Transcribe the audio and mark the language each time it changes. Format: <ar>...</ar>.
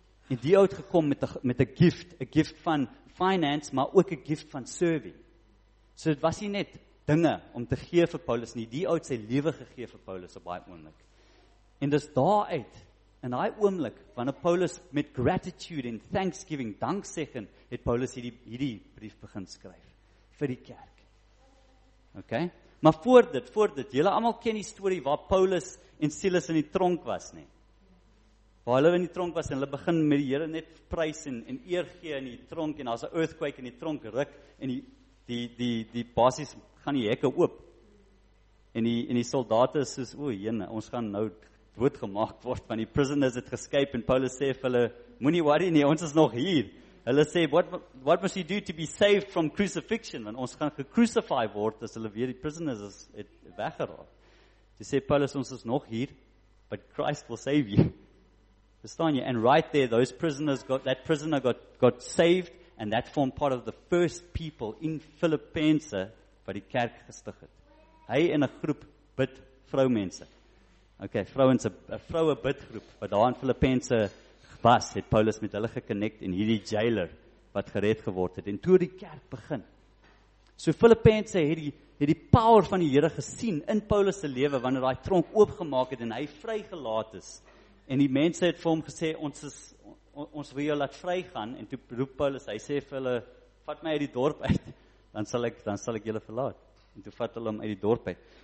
<af>En die oud gekom met</af> <en>a gift</en> <af>van</af> <en>finance,</en> <af>maar ook</af> <en>a gift</en> <af>van</af> <en>serving.</en> <af>So het was hier net dinge om te gee vir Paulus nie, die oud sy lewe gegee vir Paulus op baie oomblik. En dis daaruit, in die oomblik, wanneer Paulus met</af> <en>gratitude en thanksgiving,</en> <af>danksegging, het Paulus hierdie brief begin skryf, vir die kerk. Ok? Maar voor dit, julle allemaal ken die story waar Paulus en Silas in die tronk was, nie? Waar hulle in die tronk was, en hulle begin met die Here net prys en eer gee in die tronk, en as 'n earthquake in die tronk ruk, en die basis gaan die hekke oop, en die soldate is soos, o, jene, ons gaan nou doodgemaak word, want die prisoners het geskyp, en Paulus sê vir hulle, moenie worry nie, ons is nog hier. Hulle sê,</af> <en>what must you do to be saved from crucifixion?</en> <af>Want ons gaan gecrucify word, as hulle weer die prisoners het weggeraak. Toe sê Paulus, ons is nog hier,</af> <en>but Christ will save you.</en> <af>Verstaan jy?</af> <en>And right there, that prisoner got saved, and that formed part of the first people in Filippense,</en> <af>wat die kerk gestig het. Hy en 'n groep bid vroumense. Ok, vrouwens, een vrouwe bidgroep, wat daar in Filippense was, het Paulus met hulle geconnect, en hierdie jailer, wat gered geword het, en toe die kerk begin. So Filippense het die power van die Here gesien, in Paulus se lewe, wanneer hy tronk oopgemaak het, en hy vrygelaat is, en die mense het vir hom gesê, ons wil jou laat vrygaan, en toe roep Paulus, hy sê vir hulle, vat my uit die dorp uit, dan sal ek julle verlaat, en toe vat hulle hom uit die dorp uit.</af>